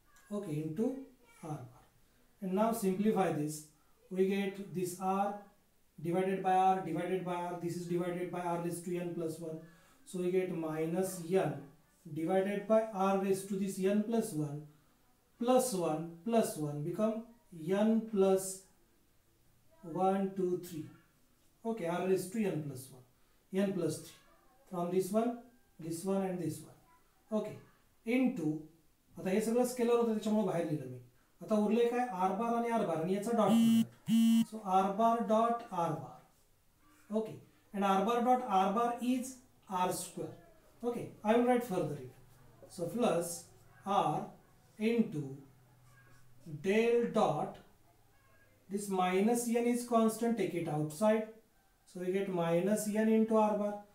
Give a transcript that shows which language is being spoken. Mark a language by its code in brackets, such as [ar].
[en] Okay, into r bar. And now simplify this, we get this r divided by r divided by r, this is divided by r raised to n plus 1, so we get minus n divided by r raised to this n plus 1 plus 1 plus 1 become n plus 1 2 3. Okay, r raised to n plus 1, n plus 3, from this one and this one. Okay, into [mr] आता हे सगळं scalar होतं त्याच्यामुळे बाहेर लिहिलं मी. आता उरले काय आर बार आणि आर बार आणि याचा dot, [en] So r bar dot r bar. Okay, and r bar dot r bar is r square. Okay, I will write further it, so plus r into del dot this minus n is constant, take it outside, so you get minus n into r bar.